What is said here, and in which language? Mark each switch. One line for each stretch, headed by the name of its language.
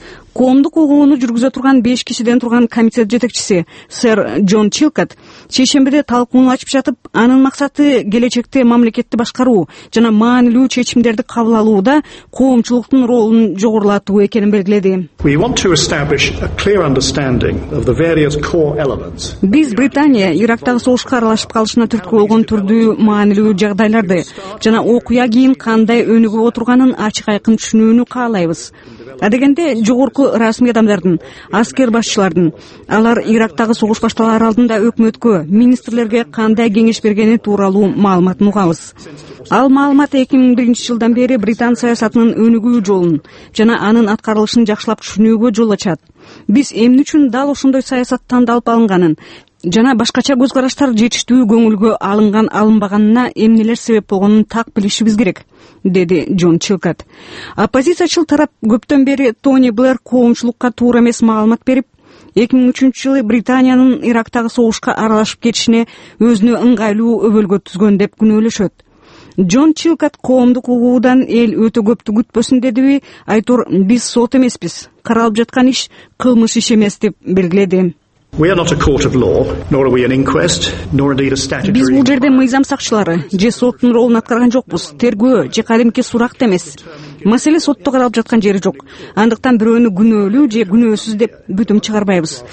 Kyrgyz: Коомдук угууну жүргүзө турган 5 кишиден турган комитет жетекчиси сэр Джон Чилкот чейшембиде талкууну ачып жатып, анын максаты келечекте мамлекетти башкаруу жана маанилүү чечимдерди кабыл алууда коомчулуктун ролун жогорулатуу экенин белгиледи.
English: We want to establish a clear understanding of the various core elements.
Kyrgyz: Биз Британия Ирактагы согушка аралашып калышына түрткү болгон түрдүү маанилүү жагдайларды жана окуя кийин кандай өнүгүп отурганын ачык айкын түшүнүүнү каалайбыз. Адегенде жогорку расмий адамдардын, аскер башчылардын, алар Ирактагы согуш башталар алдында өкмөткө, министрлерге кандай кеңеш бергени тууралуу маалыматын угабыз. Ал маалымат 2001 жылдан бери Британ саясатынын өнүгүү жолун жана анын аткарылышын жакшылап түшүнүүгө жол ачат. Биз эмне үчүн дал ошондой саясат тандалып алынганын жана башкача көз караштар жетиштүү көңүлгө алынган алынбаганына эмнелер себеп болгонун так билишибиз керек, деди Джон Чилкот. Оппозициячыл тарап көптөн бери Тони Блэр коомчулукка туура эмес маалымат берип, 2003 жылы Британиянын Ирактагы согушка аралашып кетишине өзүнө ыңгайлуу өбөлгө түзгөн деп күнөөлөшөт. Джон Чилкот коомдук угуудан эл өтө көптү күтпөсүн дедиби, айтор биз сот эмеспиз, каралып жаткан иш кылмыш иш эмес деп белгиледи.
English: We are not a court of law, nor are we an inquest, nor indeed a statutory.
Kyrgyz: Биз бул жерде мыйзам сакчылары же соттун ролун аткарган жокпуз. Тергөө же кадимки сурак эмес. Маселе сотто каралып жаткан жери жок. Андыктан бирөөнү күнөөлүү же күнөөсүз деп бүтүм чыгарбайбыз.